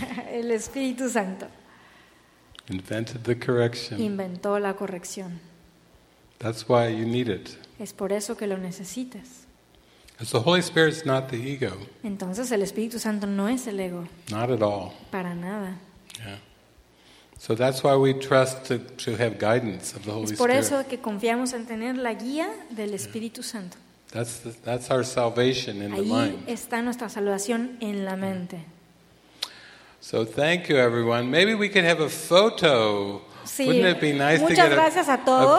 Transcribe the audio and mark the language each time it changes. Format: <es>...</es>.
<es>El Espíritu Santo.</es> <en>invented the correction.</en> <es>Inventó la corrección.</es> <en>That's why you need it.</en> <es>Es por eso que lo necesitas.</es> <en>Because the Holy Spirit's not the ego.</en> <es>Entonces el Espíritu Santo no es el ego.</es> <en>Not at all.</en> <es>Para nada.</es> <en>Yeah. So that's why we trust to have guidance of the Holy Spirit.</en> <es>Es por eso que confiamos en tener la guía del Espíritu Santo.</es> <en>That's our salvation in the mind.</en> <es>Ahí está nuestra salvación en la mente.</es> <en>So thank you, everyone. Maybe we can have a photo.</en> <es>Sí.</es> <en>Wouldn't it be nice to get a</en>